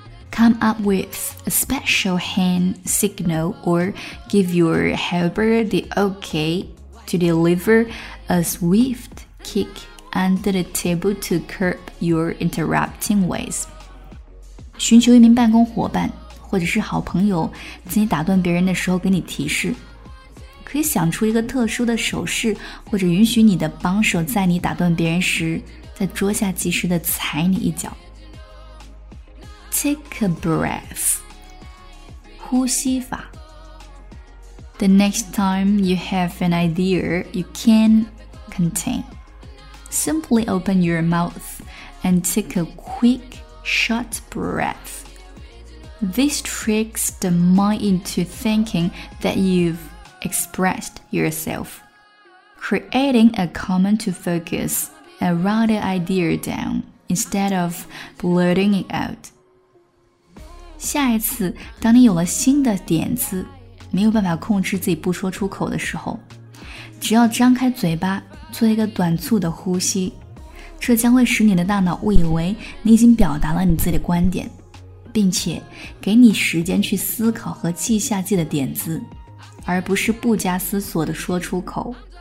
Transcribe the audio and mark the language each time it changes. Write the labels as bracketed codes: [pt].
[en] Come up with a special hand signal or give your helper the okay to deliver a swift kick under the table to curb your interrupting ways. [zh] 寻求一名办公伙伴或者是好朋友在你打断别人的时候给你提示，可以想出一个特殊的手势，或者允许你的帮手在你打断别人时在桌下及时的踩你一脚。 [en] Take a breath， 呼吸法。 The next time you have an idea you can't contain, simply open your mouth and take a quick short breath. This tricks the mind into thinking that you've expressed yourself, creating a common to focusAnd write the idea down instead of blurting it out. [zh] 下一次当你有了新的点子，没有办法控制自己不说出口的时候，只要张开嘴巴做一个短促的呼吸，这将会使你的大脑误以为你已经表达了你自己的观点，并且给你时间去思考和记下自己的点子，而不是不加思索地说出口。